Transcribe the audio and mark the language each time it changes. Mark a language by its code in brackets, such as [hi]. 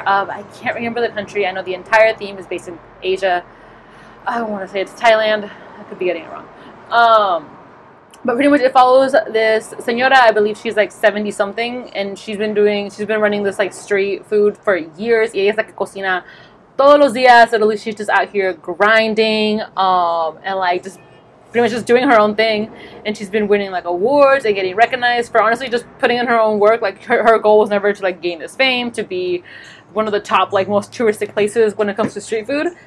[en] I can't remember the country. I know the entire theme is based in Asia. I want to say it's Thailand. I could be getting it wrong. But pretty much it follows this señora. I believe she's like 70 something, and she's been running this like street food for years. [es] Y ella es la que cocina todos los días. [en] At least she's just out here grinding, and like just pretty much just doing her own thing, and she's been winning like awards and getting recognized for honestly just putting in her own work. Like her goal was never to like gain this fame, to be one of the top like most touristic places when it comes to street food.